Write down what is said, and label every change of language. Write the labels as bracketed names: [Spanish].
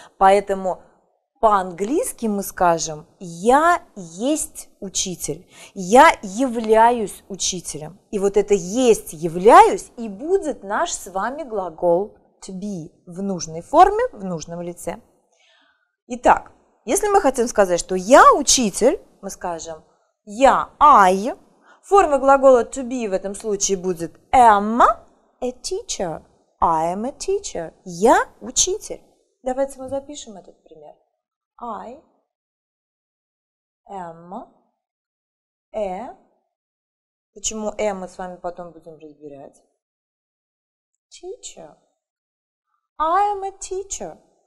[Russian] Поэтому по-английски мы скажем «я есть учитель», «я являюсь учителем». И вот это «есть являюсь» и будет наш с вами глагол to be в нужной форме, в нужном лице. Итак, если мы хотим сказать, что «я учитель», мы скажем «я I». Форма глагола to be в этом случае будет [English] «am a teacher», «I am a teacher», [Russian] «я учитель». Давайте мы запишем этот пример. [English] I am a... [Russian] Почему a мы с вами потом будем разбирать? [English] Teacher. I am a teacher.